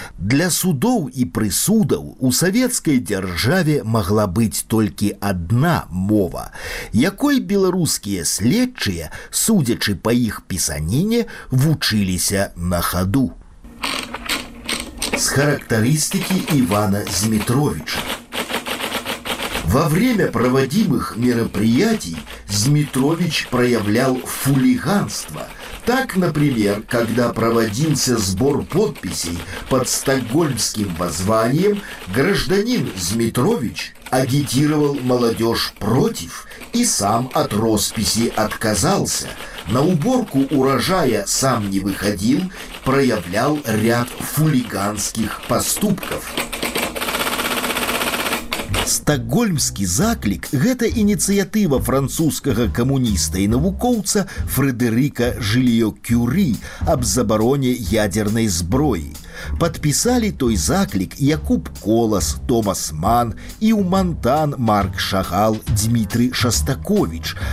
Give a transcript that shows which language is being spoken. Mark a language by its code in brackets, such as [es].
[be] Для судоў і прысудаў у савецкай дзяржаве магла быць толькі адна мова, якой беларускія следчыя, судзячы па іх пісаніне, вучыліся на хаду. З характарыстыкі Івана Змітровіча. [ru] Во время проводимых мероприятий Змитрович проявлял хулиганство. Так, например, когда проводился сбор подписей под стокгольмским воззванием, гражданин Змитрович агитировал молодежь против и сам от росписи отказался. На уборку урожая сам не выходил, проявлял ряд хулиганских поступков. [be] Стокгольмскі заклік – гэта ініцыятыва французскага камуніста і навукоўца Фредерика Жильё-Кюры аб забароне ядзернай зброі. Падпісалі той заклік Якуб Колас, Томас Ман і ў Мантан Марк Шагал, Дмітрый Шастаковіч.